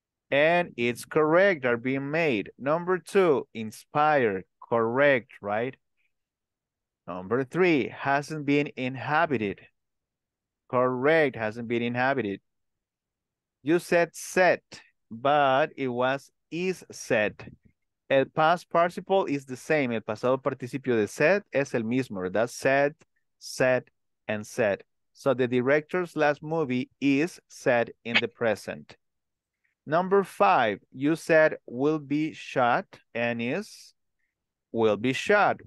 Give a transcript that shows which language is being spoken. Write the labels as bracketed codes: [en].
[en] And it's correct, are being made. Number two, inspired, correct, right? Number three, hasn't been inhabited. Correct, hasn't been inhabited. You said set, but it was is set. El past participle is the same. [es] El pasado participio de set es el mismo, ¿verdad? [en] Set, set, and set. So the director's last movie is set in the present. Number five, you said will be shot and is will be shot.